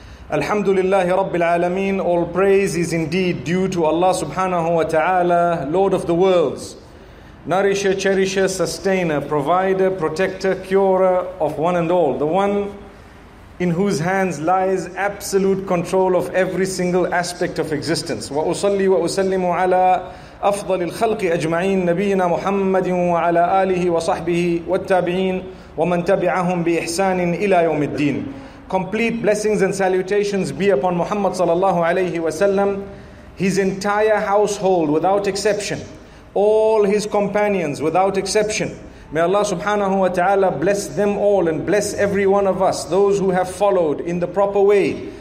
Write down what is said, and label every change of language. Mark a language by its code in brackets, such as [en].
[en] Alhamdulillahi rabbil alameen, all praise is indeed due to Allah subhanahu wa ta'ala, Lord of the worlds, nourisher, cherisher, sustainer, provider, protector, curer of one and all, the one in whose hands lies absolute control of every single aspect of existence. [ar] Wa usalli wa usallimu ala أفضل الخلق أجمعين نبينا محمد وعلى آله وصحبه والتابعين ومن تبعهم بإحسان إلى يوم الدين. [en] Complete blessings and salutations be upon Muhammad sallallahu alayhi wa sallam, his entire household without exception, all his companions without exception. May Allah subhanahu wa ta'ala bless them all and bless every one of us, those who have followed in the proper way.